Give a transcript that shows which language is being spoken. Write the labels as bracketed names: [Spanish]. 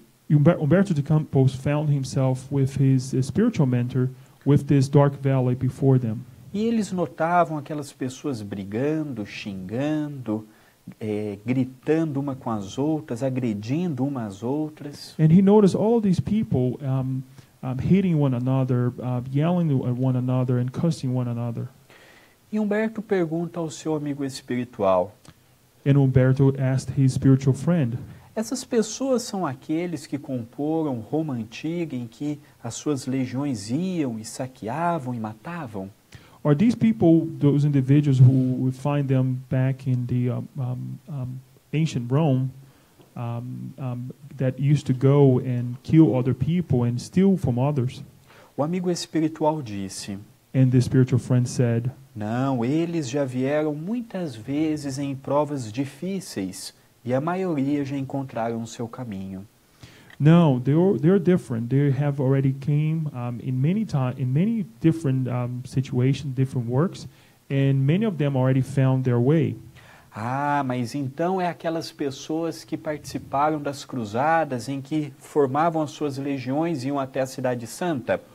[English] Humberto de Campos found himself with his spiritual mentor with this dark valley before them. [Portuguese] E eles notavam aquelas pessoas brigando, xingando, gritando uma com as outras, agredindo umas às outras. [English] And he noticed all of these people hitting one another, yelling at one another and cursing one another. [Portuguese] E Humberto pergunta ao seu amigo espiritual. [English] And Humberto asked his spiritual friend. [Portuguese] Essas pessoas são aqueles que comporam Roma Antiga em que as suas legiões iam e saqueavam e matavam? [English] Are these people those individuals who we find them back in the ancient Rome that used to go and kill other people and steal from others? [Portuguese] O amigo espiritual disse. [English] And the spiritual friend said. [Portuguese] Não, eles já vieram muitas vezes em provas difíceis e a maioria já encontraram o seu caminho. [English] No, they're different. They have already came in many different situations, different works, and many of them already found their way. [Portuguese] Ah, mas então é aquelas pessoas que participaram das cruzadas em que formavam as suas legiões e iam até a Cidade Santa?